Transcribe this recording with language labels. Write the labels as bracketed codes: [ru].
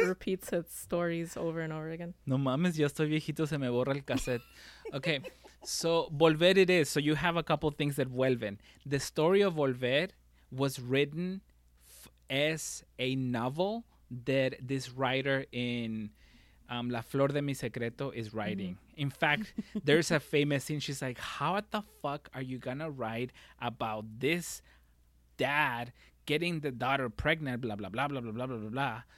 [en] It repeats its stories over and over again. [es] No mames, ya estoy viejito, se me borra el cassette. [en] Okay. So, Volver it is. So, you have a couple things that vuelven. The story of Volver was written as a novel that this writer in La Flor de Mi Secreto is writing. Mm-hmm. In fact, there's a famous scene. She's like, how the fuck are you going to write about this dad getting the daughter pregnant, blah, blah, blah, blah, blah, blah, blah, blah, blah.